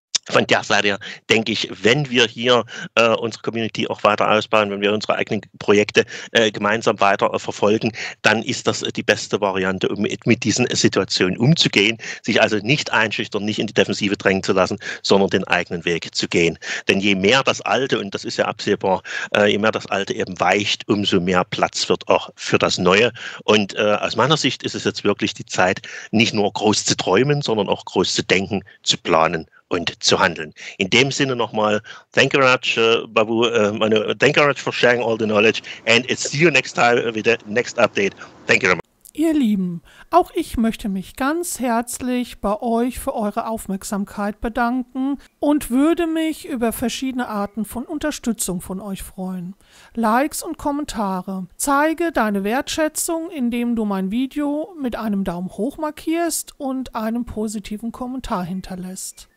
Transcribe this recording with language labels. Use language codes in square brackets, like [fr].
[de] Von der Seite her denke ich, wenn wir hier unsere Community auch weiter ausbauen, wenn wir unsere eigenen Projekte gemeinsam weiter verfolgen, dann ist das die beste Variante, um mit diesen Situationen umzugehen, sich also nicht einschüchtern, nicht in die Defensive drängen zu lassen, sondern den eigenen Weg zu gehen. Denn je mehr das Alte, und das ist ja absehbar, je mehr das Alte eben weicht, umso mehr Platz wird auch für das Neue. Und aus meiner Sicht ist es jetzt wirklich die Zeit, nicht nur groß zu träumen, sondern auch groß zu denken, zu planen und zu handeln. In dem Sinne nochmal, [en] thank you very much, Babu, Manu, thank you very much for sharing all the knowledge and see you next time with the next update. Thank you very much. [de] Ihr Lieben, auch ich möchte mich ganz herzlich bei euch für eure Aufmerksamkeit bedanken und würde mich über verschiedene Arten von Unterstützung von euch freuen. Likes und Kommentare. Zeige deine Wertschätzung, indem du mein Video mit einem Daumen hoch markierst und einen positiven Kommentar hinterlässt.